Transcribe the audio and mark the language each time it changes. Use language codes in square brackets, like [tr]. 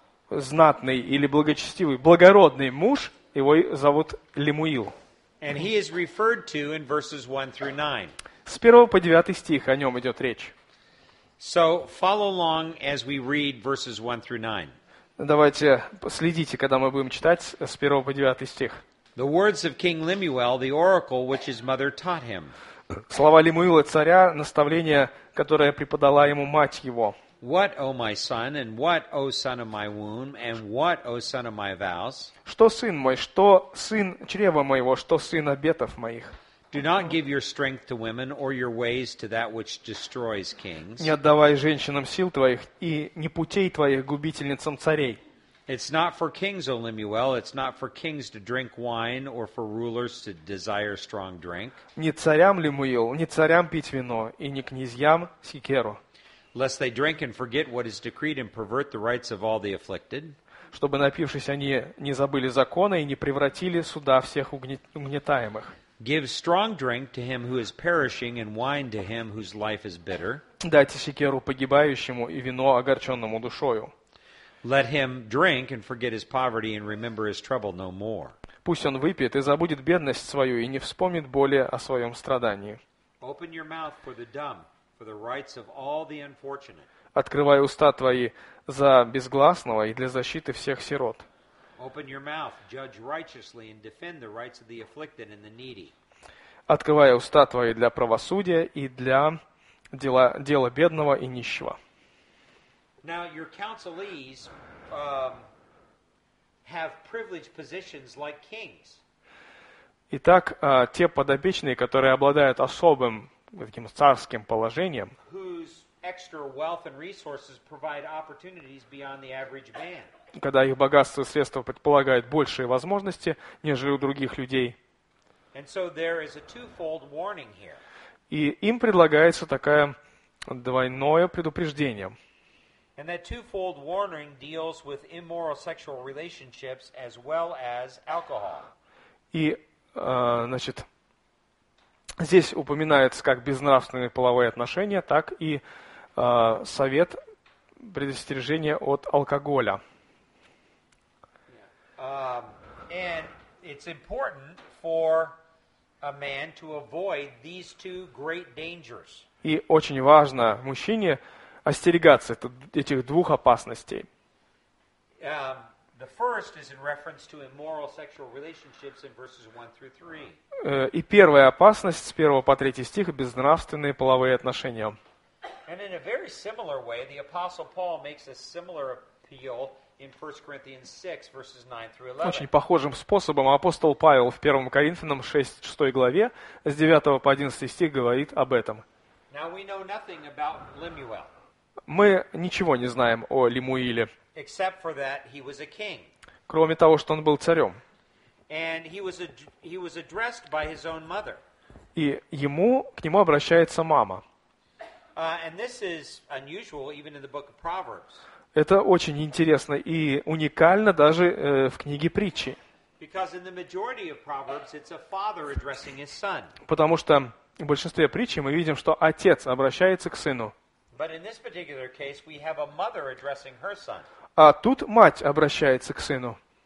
[ru] Знатный или благочестивый, благородный муж, его зовут Лемуил. [en] And he is referred to in verses 1 through 9. [ru] С 1 по 9 стих о нем идет речь. [en] So follow along as we read verses 1 through 9. [ru] Давайте следите, когда мы будем читать с 1 по 9 стих. [en] The words of King Lemuel, the oracle which his mother taught him. [ru] Слова Лемуила царя, наставление, которое преподала ему мать его. [en] What, O my son, and what, O son of my womb, and what, O son of my vows? [ru] Что, сын мой, что сын чрева моего, что сын обетов моих? [en] Do not give your strength to women or your ways to that which destroys kings. [ru] Не отдавай женщинам сил твоих и не путей твоих губительницам царей. [en] It's not for kings, O Lemuel, it's not for kings to drink wine or for rulers to desire strong drink. [ru] Не царям, Лемуил, не царям пить вино и не князьям секеру. [en] Lest they drink and forget what is decreed and pervert the rights of all the afflicted. [ru] Чтобы напившись они не забыли закона и не превратили суда всех угнетаемых. [en] Give strong drink to him who is perishing and wine to him whose life is bitter. [ru] Дайте секеру погибающему и вино огорченному душою. [en] Let him drink and forget his poverty and remember his trouble no more. [ru] Пусть он выпьет и забудет бедность свою и не вспомнит более о своем страдании. [en] Open your mouth for the dumb, for the rights of all the unfortunate. [ru] Открывай уста твои за безгласного и для защиты всех сирот. [en] Open your mouth, judge righteously and defend the rights of the afflicted and the needy. [ru] Открывай уста твои для правосудия и для дела бедного и нищего. [en] Now your counselees have privileged positions like kings. [ru] Итак, те подопечные, которые обладают особым таким царским положением, [en] whose extra wealth and resources provide opportunities beyond the average man. [ru] Когда их богатство и средства предполагают большие возможности, нежели у других людей. [en] And so there is a twofold warning here. [ru] И им предлагается такое двойное предупреждение. [en] And that twofold warning deals with immoral sexual relationships as well as alcohol. [ru] И, значит, здесь упоминается как безнравственные половые отношения, так и совет предостережения от алкоголя. [en] And it's important for a man to avoid these two great dangers. [ru] И очень важно мужчине остерегаться этих двух опасностей. [en] The first is in reference to immoral sexual relationships in verses 1 through 3. [ru] И первая опасность с 1 по 3 стих – безнравственные половые отношения. [en] And in a very similar way, the Apostle Paul makes a similar appeal in 1 Corinthians 6, verses 9 through 11. [ru] Очень похожим способом апостол Павел в 1 Коринфянам 6 главе с 9 по 11 стих говорит об этом. [en] Now we know nothing about Lemuel. [ru] Мы ничего не знаем о Лемуиле. [en] Except for that he was a king. [ru] Кроме того, что он был царем. [en] And he was addressed by his own mother. [ru] И ему, к нему обращается мама. [en] And this is unusual even in the book of Proverbs. [ru] Это очень интересно и уникально даже в книге Притчи. [en] Because in the majority of Proverbs, it's a father addressing his son. [ru] Потому что в большинстве притчи мы видим, что отец обращается к сыну. [en] But in this particular case, we have a mother addressing her son. [ru] А тут мать обращается к сыну.